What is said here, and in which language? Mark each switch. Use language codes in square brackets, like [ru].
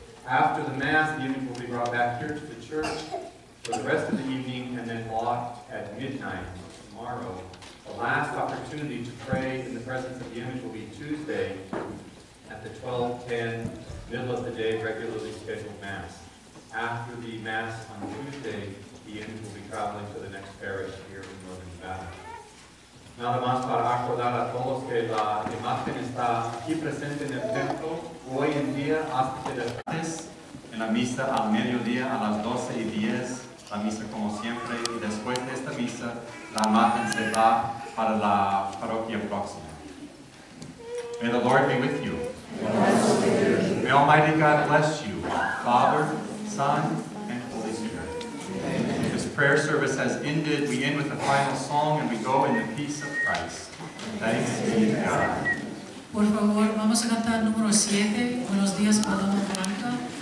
[en] After the Mass, the image will be brought back here to the church for the rest of the evening and then locked at midnight tomorrow. The last opportunity to pray in the presence of the image will be Tuesday at the 12:10 middle of the day regularly scheduled Mass. After the Mass on Tuesday, the image will be traveling to the next parish here in Northern Nevada. [es] Nada más para acordar a todos que la imagen está aquí presente en el templo hoy en día hasta que el martes en la misa al mediodía a las 12:10, la misa como siempre, y después de esta misa la imagen se va para la parroquia próxima. [en] May the Lord be with you. May Almighty God bless you, Father, Son, and Holy Spirit. This prayer service has ended. We end with the final song and we go in the peace of Christ. Thanks be to God. [es] Por favor, vamos a cantar número 7, Buenos Días, Paloma Blanca.